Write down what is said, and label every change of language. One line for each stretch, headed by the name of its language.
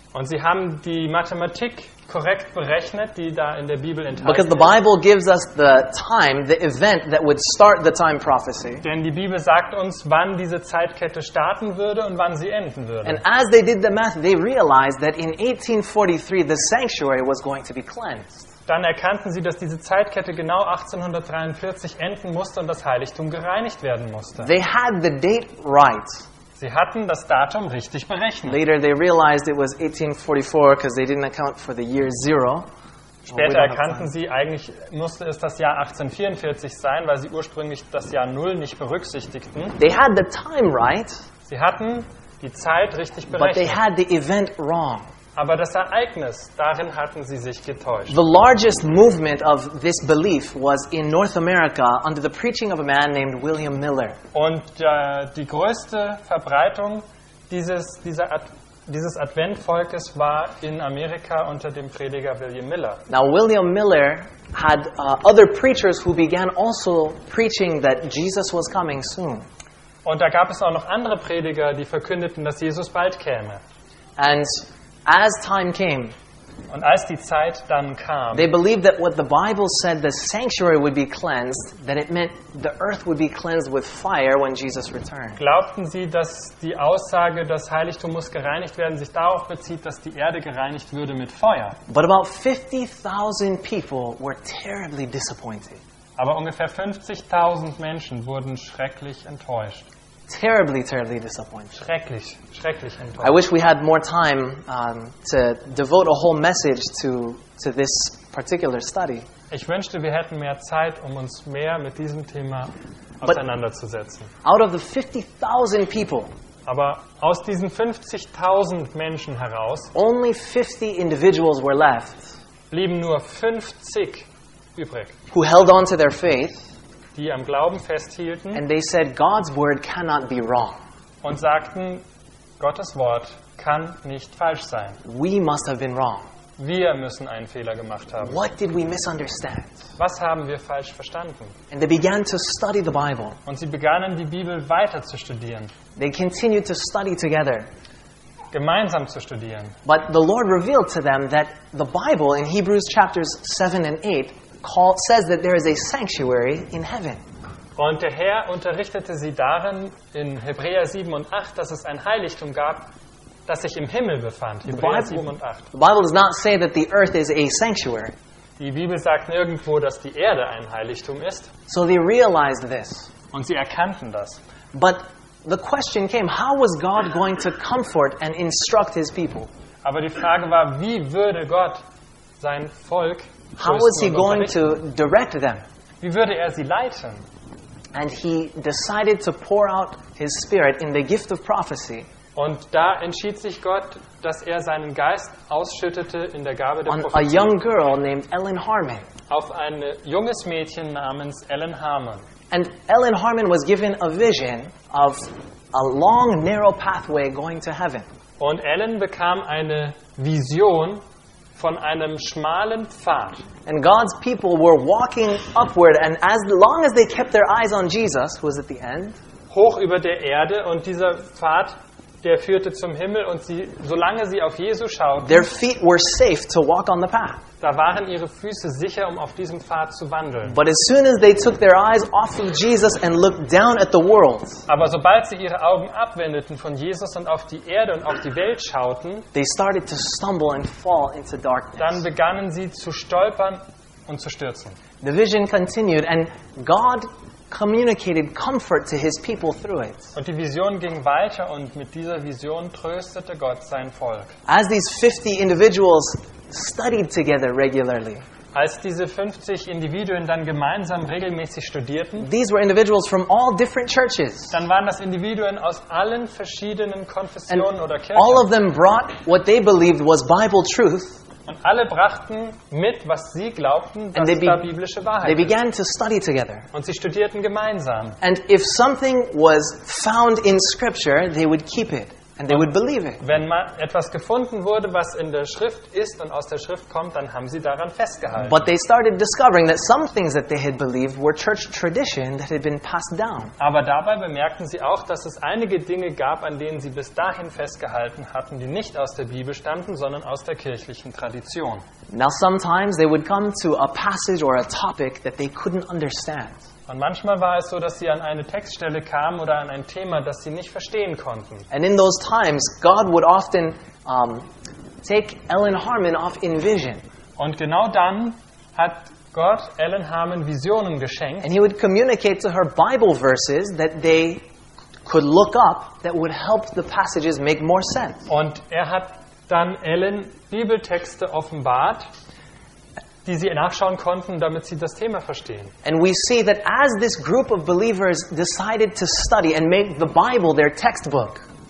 German: Und sie haben die Mathematik korrekt berechnet, die da in der Bibel enthalten.
English: Because the Bible gives us the time, the event that would start the time prophecy.
German: Denn die Bibel sagt uns, wann diese Zeitkette starten würde und wann sie enden würde.
English: And as they did the math, they realized that in 1843 the sanctuary was going to be cleansed.
German: Dann erkannten sie, dass diese Zeitkette genau 1843 enden musste und das Heiligtum gereinigt werden musste.
English: They had the date right.
German: Sie hatten das Datum richtig berechnet.
English: Later they realized it was 1844 because they didn't account for the year zero.
German: Später erkannten sie, eigentlich musste es das Jahr 1844 sein, weil sie ursprünglich das Jahr 0 nicht berücksichtigten.
English: They had the time right.
German: Sie hatten die Zeit richtig berechnet.
English: But they had the event wrong.
German: Aber das Ereignis, darin hatten sie sich getäuscht.
English: The largest movement of this belief was in North America under the preaching of a man named William Miller.
German: Und die größte Verbreitung dieses Adventvolkes war in Amerika unter dem Prediger William Miller.
English: Now William Miller had other preachers who began also preaching that Jesus was coming soon.
German: Und da gab es auch noch andere Prediger, die verkündeten, dass Jesus bald käme.
English: And as time came,
German: und als die Zeit dann kam,
English: they believed that what the Bible said, the sanctuary would be cleansed, that it meant the earth would be cleansed with fire when Jesus returned.
German: Glaubten sie, dass die Aussage, das Heiligtum muss gereinigt werden, sich darauf bezieht, dass die Erde gereinigt würde mit Feuer?
English: But about 50,000 people were terribly disappointed.
German: Aber ungefähr 50,000 Menschen wurden schrecklich enttäuscht.
English: Terribly, terribly disappointed.
German: Schrecklich, schrecklich enttäuscht.
English: I wish we had more time to devote a whole message to this particular study.
German: Ich wünschte, wir hätten mehr Zeit, um uns mehr mit diesem Thema auseinanderzusetzen.
English: But out of the 50,000 people,
German: aber aus diesen 50,000 Menschen heraus,
English: only 50 individuals were left.
German: Blieben nur 50 übrig.
English: Who held on to their faith?
German: Die am Glauben festhielten.
English: And they said, God's word cannot be wrong.
German: Und sagten, Gottes Wort kann nicht falsch sein.
English: We must have been wrong.
German: Wir müssen einen Fehler gemacht haben.
English: What did we misunderstand?
German: Was haben wir falsch verstanden?
English: And they began to study the Bible.
German: Und sie begannen, die Bibel weiter zu studieren.
English: They continued to study together.
German: Gemeinsam zu studieren.
English: But the Lord revealed to them that the Bible in Hebrews chapters 7 and 8 says that there is a sanctuary in heaven.
German: Und der Herr unterrichtete sie darin in Hebräer 7 und 8, dass es ein Heiligtum gab, das sich im Himmel befand. Hebräer 7 und 8.
English: The Bible does not say that the earth is a sanctuary.
German: Die Bibel sagt nirgendwo, dass die Erde ein Heiligtum ist.
English: So they realized this.
German: Und sie erkannten das.
English: But the question came, how was God going to comfort and instruct his people?
German: Aber die Frage war, wie würde Gott sein Volk.
English: How was he going to direct them?
German: Wie würde er sie leiten?
English: And he decided to pour out his spirit in the gift of prophecy.
German: Und da entschied sich Gott, dass er seinen Geist ausschüttete in der Gabe der Prophezeiung.
English: On a young girl named Ellen Harmon.
German: Auf ein junges Mädchen namens Ellen Harmon.
English: And Ellen Harmon was given a vision of a long narrow pathway going to heaven.
German: Und Ellen bekam eine Vision von einem schmalen Pfad.
English: And God's people were walking upward, and as long as they kept their eyes on Jesus, who was at the end,
German: hoch über der Erde, und dieser Pfad, der führte zum Himmel, und sie, solange sie auf Jesus schauten,
English: their feet were safe to walk on the path.
German: Da waren ihre Füße sicher, um auf diesem Pfad zu wandeln.
English: But as soon as they took their eyes off of Jesus and looked down at the world,
German: aber sobald sie ihre Augen abwendeten von Jesus und auf die Erde und auf die Welt schauten,
English: they started to stumble and fall into darkness.
German: Dann begannen sie zu stolpern und zu stürzen.
English: The vision continued and God communicated comfort to his people through it.
German: Und die Vision ging weiter, und mit dieser Vision tröstete Gott sein Volk.
English: As these 50 individuals studied together regularly.
German: Als diese 50 Individuen dann gemeinsam regelmäßig studierten.
English: These were individuals from all different churches.
German: Dann waren das Individuen aus allen verschiedenen Konfessionen
English: and
German: oder Kirchen.
English: All of them brought what they believed was Bible truth.
German: Und alle brachten mit, was sie glaubten, dass es da biblische Wahrheit.
English: They began to study together.
German: Und sie studierten gemeinsam.
English: And if something was found in scripture, they would keep it. And they would believe it.
German: Wenn mal etwas gefunden wurde, was in der Schrift ist und aus der Schrift kommt, dann haben sie daran festgehalten.
English: But they started discovering that some things that they had believed were church tradition that had been passed down.
German: Aber dabei bemerkten sie auch, dass es einige Dinge gab, an denen sie bis dahin festgehalten hatten, die nicht aus der Bibel stammten, sondern aus der kirchlichen Tradition.
English: Now sometimes they would come to a passage or a topic that they couldn't understand.
German: Und manchmal war es so, dass sie an eine Textstelle kamen oder an ein Thema, das sie nicht verstehen konnten.
English: And in those times, God would often take Ellen Harmon off in vision.
German: Und genau dann hat Gott Ellen Harmon Visionen geschenkt.
English: And he would communicate to her Bible verses that they could look up that would help the passages make more sense.
German: Und er hat dann Ellen Bibeltexte offenbart, die sie nachschauen konnten, damit sie das Thema verstehen.
English: And we see that as this group of believers decided to study and make the Bible their textbook.